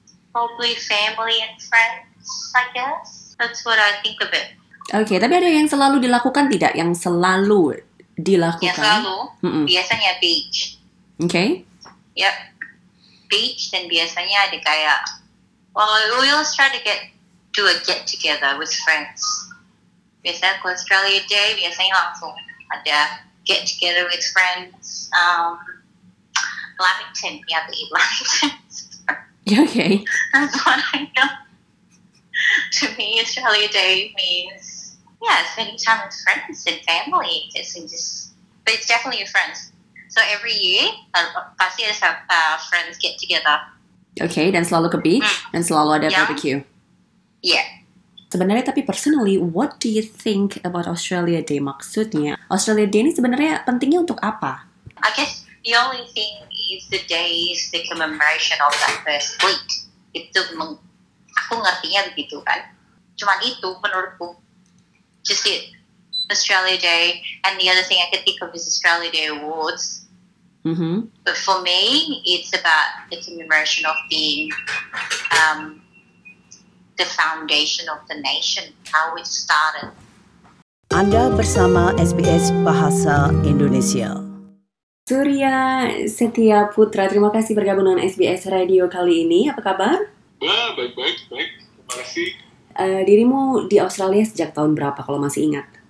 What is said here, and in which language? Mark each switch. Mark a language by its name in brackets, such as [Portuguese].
[English] Probably family and friends, I guess. That's what I think of it. [Indonesian] Okay, tapi ada yang selalu dilakukan tidak? Yang selalu dilakukan? Yang selalu, biasanya beach. [English] Okay. Yep. Beach, [Indonesian] dan biasanya ada kayak, [English] well, we always try to get together with friends. Biasanya ke Australia Day, biasanya langsung ada get together with friends. Lamington, ya, the Lamington. Yeah, okay. That's what I know. To me, Australia Day means, yeah, spending time with friends and family. It's just, but it's definitely your friends. So every year, [Indonesian] pasti ada [English] friends get together. [Indonesian] Okay, dan selalu ke beach, dan selalu ada barbecue. [English] Yeah. [Indonesian] Sebenarnya tapi [English] personally, what do you think about Australia Day? [Indonesian] Maksudnya, Australia Day ini sebenarnya pentingnya untuk apa? [English] I guess the only thing is the day is the commemoration of that first fleet. [Indonesian] Itu aku ngertinya begitu kan. Cuman itu menurutku. [English] Just it. [Indonesian] Australia Day. [English] And the other thing I can think of is Australia Day Awards. Mm-hmm. But for me, it's about the commemoration of being the foundation of the nation, how it started. [Indonesian] Anda bersama SBS Bahasa Indonesia. Surya Setia Putra, terima kasih bergabung dengan SBS Radio kali ini. Apa kabar? Baik. Terima kasih. Dirimu di Australia sejak tahun berapa, kalau masih ingat?